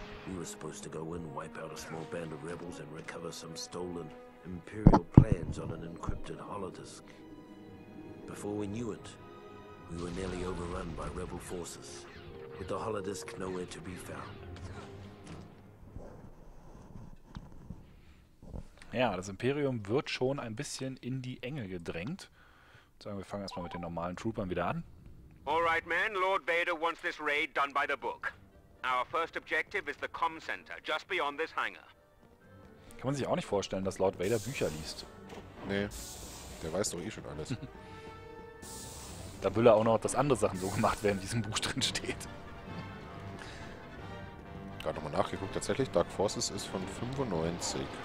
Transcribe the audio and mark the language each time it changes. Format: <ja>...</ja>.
<en>We were supposed to go in, wipe out a small band of rebels, and recover some stolen Imperial plans on an encrypted holodisk. Before we knew it, we were nearly overrun by rebel forces, with the holodisk nowhere to be found.</en> <de>Ja, das Imperium wird schon ein bisschen in die Enge gedrängt. Sagen wir, fangen erstmal mit den normalen Troopern wieder an.</de> <en>All right, man, Lord Vader wants this raid done by the book. Our first objective is the comm center, just beyond this hangar.</en> <de>Kann man sich auch nicht vorstellen, dass Lord Vader Bücher liest. Nee, der weiß doch eh schon alles. Da will er auch noch, dass andere Sachen so gemacht werden, wie es im Buch drin steht. Gerade nochmal nachgeguckt, tatsächlich, Dark Forces ist von 95.</de>